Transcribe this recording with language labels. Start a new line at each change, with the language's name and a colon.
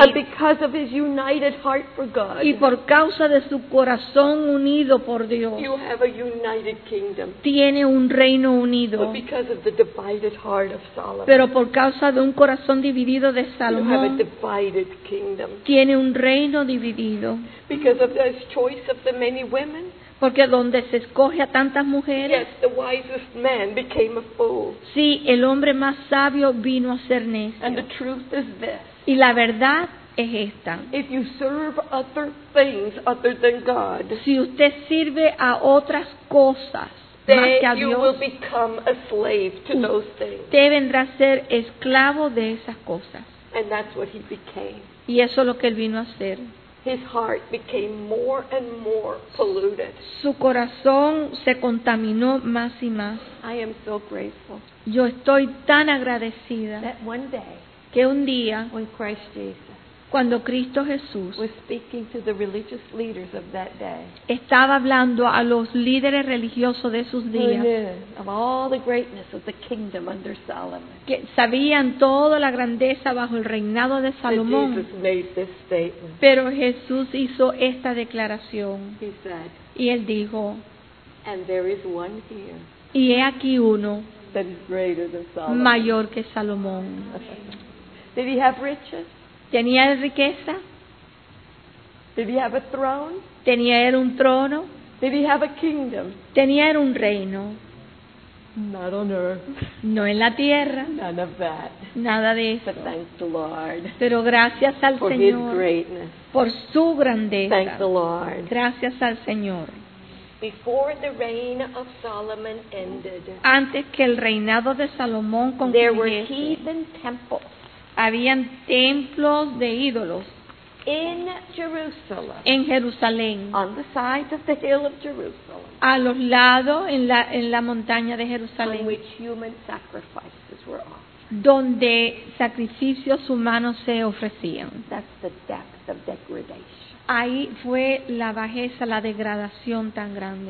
English: and because of his united heart for God,
Spanish: y por causa de su corazón unido por Dios,
English: you have a united kingdom,
Spanish: tiene un reino unido,
English: but because of the divided heart of Solomon,
Spanish: pero por causa de un corazón dividido de Salomón,
English: you have a divided kingdom,
Spanish: tiene un reino dividido,
English: because of the choice of the many women.
Spanish: Porque donde se escoge a tantas mujeres,
English: yes, the wisest man became a fool.
Spanish: Sí, el hombre más sabio vino a ser necio.
English: And the truth is this.
Spanish: Y la verdad es esta.
English: If you serve other things other than God,
Spanish: si usted sirve a otras cosas,
English: then
Spanish: más que a Dios,
English: you will become a slave to those things.
Spanish: Usted vendrá a ser esclavo de esas cosas.
English: And that's what he became.
Spanish: Y eso es lo que él vino a hacer.
English: His heart became more and more polluted.
Spanish: Su corazón se contaminó más y más.
English: I am so grateful.
Spanish: Yo estoy tan agradecida.
English: That one day,
Spanish: que un día,
English: when Christ Jesus,
Spanish: cuando Cristo Jesús,
English: was speaking to the religious leaders of that day,
Spanish: estaba hablando a los líderes religiosos de sus días,
English: who knew of all the greatness of the kingdom under Solomon,
Spanish: que sabían toda la grandeza bajo el reinado de Salomón.
English: Jesus made this statement.
Spanish: Pero Jesús hizo esta declaración.
English: He said,
Spanish: y él dijo,
English: and there is one here,
Spanish: y he aquí uno
English: that is greater than Solomon,
Spanish: mayor que Salomón.
English: Did he have riches?
Spanish: ¿Tenía riqueza?
English: Did he have a throne?
Spanish: ¿Tenía él un trono?
English: Did he have a kingdom?
Spanish: ¿Tenía él un reino?
English: Not on earth.
Spanish: No en la tierra.
English: None of that.
Spanish: Nada de eso.
English: But thank the Lord.
Spanish: Pero gracias al
English: for
Spanish: Señor.
English: His greatness.
Spanish: Por su grandeza.
English: Thank the Lord.
Spanish: Gracias al Señor.
English: Before the reign of Solomon ended,
Spanish: antes que el reinado de Salomón
English: concluyese, there were heathen temples.
Spanish: Habían templos de ídolos
English: in Jerusalem,
Spanish: en Jerusalén,
English: on the side of the hill of Jerusalem,
Spanish: a los lados en la montaña de Jerusalén,
English: on which human sacrifices were offered,
Spanish: donde sacrificios humanos se ofrecían.
English: That's the depth of degradation.
Spanish: Ahí fue la bajeza, la degradación tan grande.